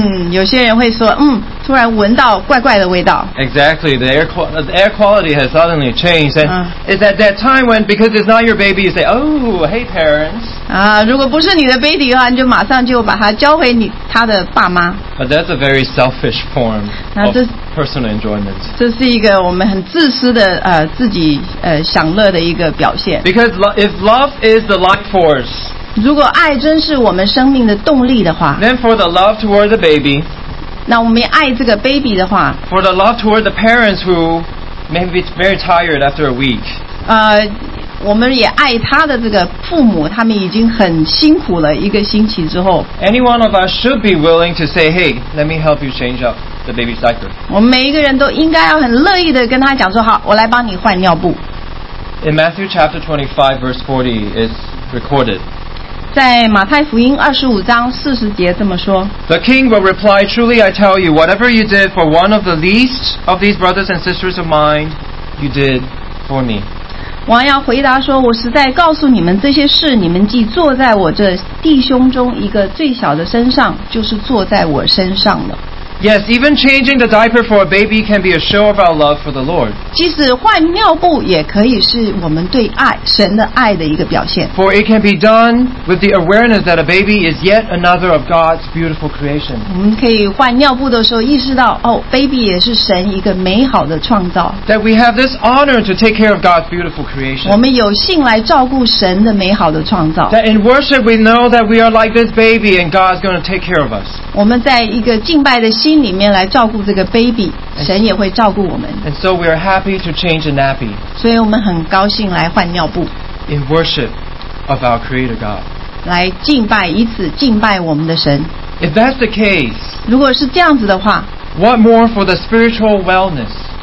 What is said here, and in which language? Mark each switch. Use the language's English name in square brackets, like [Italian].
[Chinese] 有些人会说，突然闻到怪怪的味道。 [English] Exactly, the air quality has suddenly changed. And it's at that time when, because it's not your baby, you say, oh, hey, parents. [Chinese] 如果不是你的 baby 的话，你就马上就把它交回你他的爸妈。 [English] But that's a very selfish form of personal enjoyment. [Chinese] 这是一个我们很自私的自己享乐的一个表现。 [English] Because if love is the life force. [Chinese] 如果爱真是我们生命的动力的话， [English] Then for the love toward the baby, [Chinese] 那我们爱这个 baby 的话， [English] For the love toward the parents who may be very tired after a week, [Chinese] 我们也爱他的这个父母，他们已经很辛苦了一个星期之后， [English] Any one of us should be willing to say, hey, let me help you change up the baby's diaper. [Chinese] 我们每一个人都应该要很乐意的跟他讲说，好，我来帮你换尿布。 [English] In Matthew chapter 25 verse 40 is recorded. [Chinese] 在马太福音二十五章四十节这么说。 [English] The king will reply, truly I tell you, whatever you did for one of the least of these brothers and sisters of mine, you did for me. [Chinese] 王要回答说，我实在告诉你们，这些事你们既做在我这弟兄中一个最小的身上，就是做在我身上了。 [English] Yes, even changing the diaper for a baby can be a show of our love for the Lord. [Chinese] 即使换尿布也可以是我们对爱神的爱的一个表现。 [English] For it can be done with the awareness that a baby is yet another of God's beautiful creation. [Chinese] 我们可以换尿布的时候意识到，哦 ，baby 也是神一个美好的创造。 [English] That we have this honor to take care of God's beautiful creation. [Chinese] 我们有幸来照顾神的美好的创造。 [English] That in worship we know that we are like this baby and God's going to take care of us. [Chinese] 我们在一个敬拜的心里面来照顾这个 baby， 神也会照顾我们。 [English] And so we are happy to change a nappy. [Chinese] 所以我们很高兴来换尿布。 [English] In worship of our Creator God. [Chinese] 来敬拜，以此敬拜我们的神。 [English] If that's the case. [Chinese] 如果是这样子的话。 [English] What more for the spiritual wellness?